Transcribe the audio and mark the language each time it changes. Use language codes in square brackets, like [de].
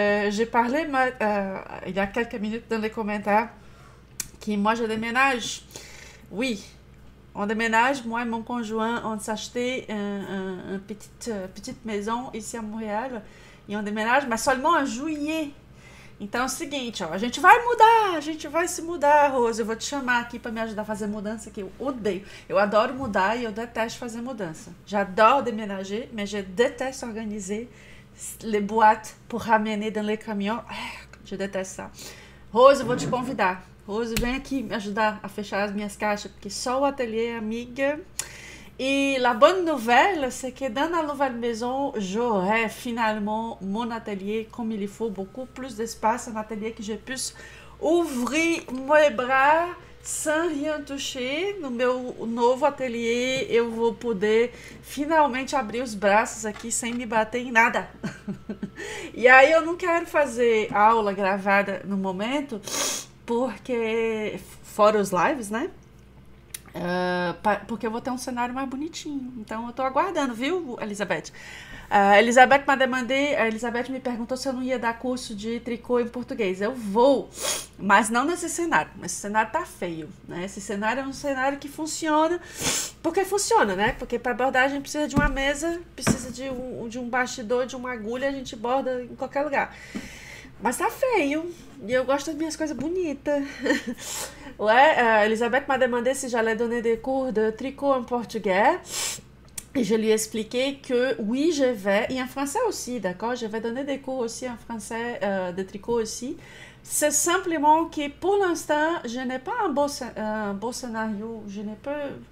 [fr] J'ai parlé il y a quelques minutes dans les commentaires que moi je déménage. Oui, on déménage, moi et mon conjoint, on s'est acheté une petite maison ici à Montréal et on déménage, mais seulement en juillet. [pt] Então é o seguinte, ó, a gente vai se mudar, Rose. Eu vou te chamar aqui para me ajudar a fazer mudança, que eu odeio. Eu adoro mudar e eu detesto fazer mudança. [fr] J'adore déménager, mais je déteste organiser les boîtes pour ramener dans les camions. Je déteste ça. [pt] Rose, eu vou te convidar. Rose, vem aqui me ajudar a fechar as minhas caixas, porque só o ateliê, amiga. [fr] E la bonne nouvelle, c'est que dans la nouvelle maison, j'aurai finalement mon atelier comme il faut, beaucoup plus d'espace, un atelier que je puisse ouvrir mes bras sans rien toucher. [pt] No meu novo atelier, eu vou poder finalmente abrir os braços aqui sem me bater em nada. E aí eu não quero fazer aula gravada no momento, porque fora os lives, né? Porque eu vou ter um cenário mais bonitinho. Então eu tô aguardando, viu, Elizabeth? Elizabeth a Elizabeth me perguntou se eu não ia dar curso de tricô em português. Eu vou, mas não nesse cenário. Esse cenário tá feio, né? Esse cenário é um cenário que funciona. Porque funciona, né? Porque para bordagem precisa de uma mesa, precisa de um bastidor, de uma agulha, a gente borda em qualquer lugar. Mas tá feio. E eu gosto das minhas coisas bonitas. [fr] Ouais, Elisabeth m'a demandé si j'allais donner des cours de tricot en portugais. Et je lui ai expliqué que oui, je vais. Et en français aussi, d'accord? Je vais donner des cours aussi en français, de tricot aussi. C'est simplement que pour l'instant, je n'ai pas un beau scénario. Je n'ai pas.